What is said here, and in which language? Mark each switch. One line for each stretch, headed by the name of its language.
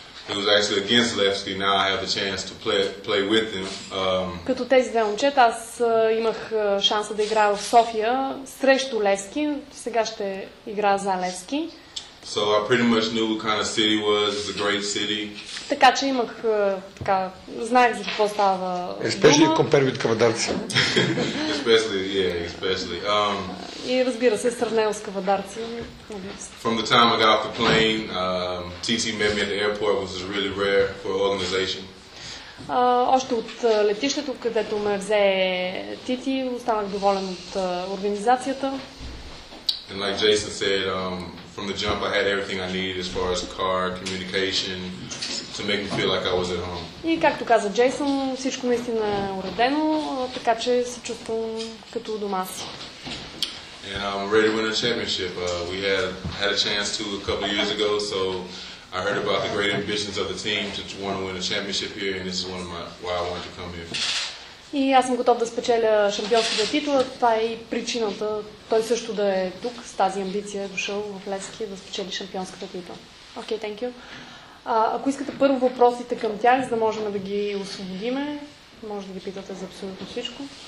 English: It was actually against Levski. Now I have a chance to play with him.
Bulgarian: Като тези две момчета, аз имах шанса да играя в София срещу Левски. Сега ще играя за Левски.
English: So I pretty much knew what kind of city was. It's a great city.
Bulgarian: Така че имах така, знаех за какво става дума.
English: Especially compared with Кавадарци. Especially.
Bulgarian: И разбира се, сравнено с Кавадарци.
English: From the time I got off the plane, TT met me at the airport, which is really rare for an organization.
Bulgarian: Още от летището, където ме взе TT, останах доволен от организацията.
English: And like Jason said, from the jump I had everything I needed as far as car, communication, to make me feel like I was at home.
Bulgarian: И както каза Джейсон, всичко наистина е уредено, така че се чувствам като у дома си.
English: And I'm ready to win a championship. We had a chance to a couple years ago, so I heard about the great ambitions of the team to want to win a championship here, and this is one of my why I wanted to come here.
Bulgarian: И аз съм готов да спечеля шампионската титла. Това е и причината той също да е тук с тази амбиция, дошъл в Левски да спечели шампионската титла.
English: Okay, thank you.
Bulgarian: Ако искате първо въпросите към тях, за да можем да ги освободиме, може да ги питате за абсолютно всичко.